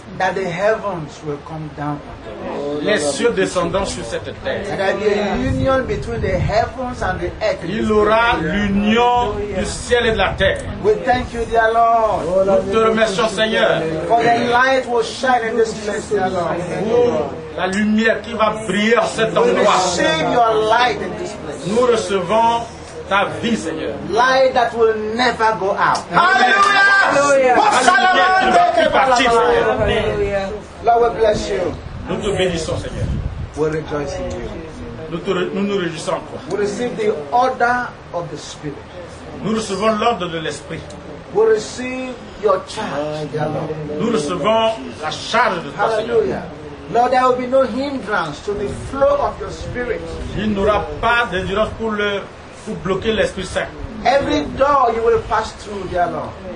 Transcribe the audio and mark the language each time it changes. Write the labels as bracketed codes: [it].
[en] That the heavens will come down on the earth. [fr] Les cieux descendant sur cette terre. [en] And that the union between the heavens and the earth. [fr] Il aura l'union du ciel et de la terre. [en] We thank you, dear Lord. [fr] Nous te remercions, Seigneur. [en] For the light will shine in this place, dear Lord. [fr] La lumière qui va briller en cet endroit. [en] We receive your light in this place. [fr] Nous recevons ta vie, Seigneur. [en] Light that will never go out. Hallelujah! Hallelujah! Lord, we bless you. [fr] Nous te bénissons, Seigneur. [en] We rejoice in you. [fr] Nous réjouissons encore. [en] We receive the order of the Spirit. [fr] Nous recevons l'ordre de l'Esprit. [en] We receive your charge, dear Lord. [fr] Nous recevons la charge de toi, Seigneur. [en] Lord, there will be no hindrance to the flow of your Spirit. [fr] Il n'aura pas de hindrance pour le pour bloquer l'Esprit Saint. [en] Every door you will pass through, dear Lord.